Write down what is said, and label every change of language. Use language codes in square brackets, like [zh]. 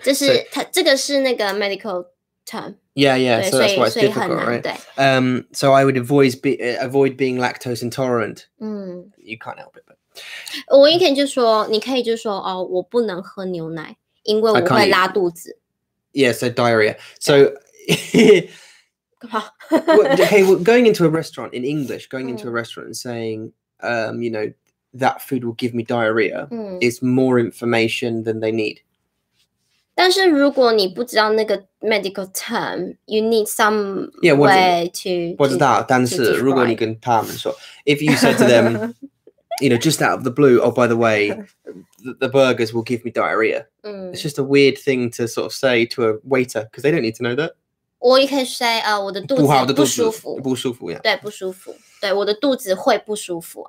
[zh] 这是, so, 它, 这个是那个 medical term. [en] Yeah, yeah, 对, so that's why it's [zh] 所以, [en] difficult, [zh] 所以很难, [en] right? So I would avoid being lactose intolerant. You can't help it, but. [zh] 我也可以就说, 哦, 我不能喝牛奶, 因为我会拉肚子。 [en] Yeah, so diarrhea. So, yeah. Hey, well, going into a restaurant in English, going into a restaurant and saying, you know, that food will give me diarrhea is more information than they need. [zh] 但是如果你不知道那个 [en] medical term, you need some way to... [zh] 我知道,但是如果你跟他们说, [en] if you said to them, you know, just out of the blue, oh, by the way, the burgers will give me diarrhea. It's just a weird thing to sort of say to a waiter because they don't need to know that. Or you can say, [zh] 我的肚子不舒服。不舒服, [en] yeah. [zh] 对,不舒服。对,我的肚子会不舒服。